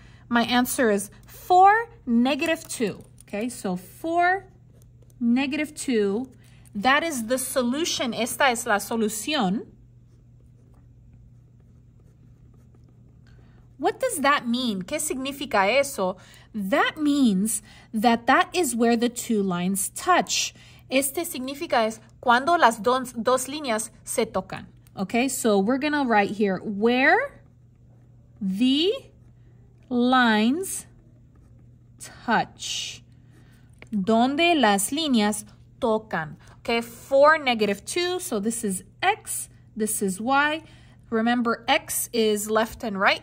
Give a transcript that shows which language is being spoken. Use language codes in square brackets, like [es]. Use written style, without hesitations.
[en] My answer is 4, negative 2. Okay, so 4, negative 2. That is the solution. [es] Esta es la solución. [en] What does that mean? [es] ¿Qué significa eso? [en] That means that that is where the two lines touch. [es] Este significa es cuando las dos líneas se tocan. [en] Okay, so we're going to write here, where the lines touch. [es] Donde las líneas tocan. Okay, 4, negative 2. [en] So this is x, this is y. Remember, x is left and right.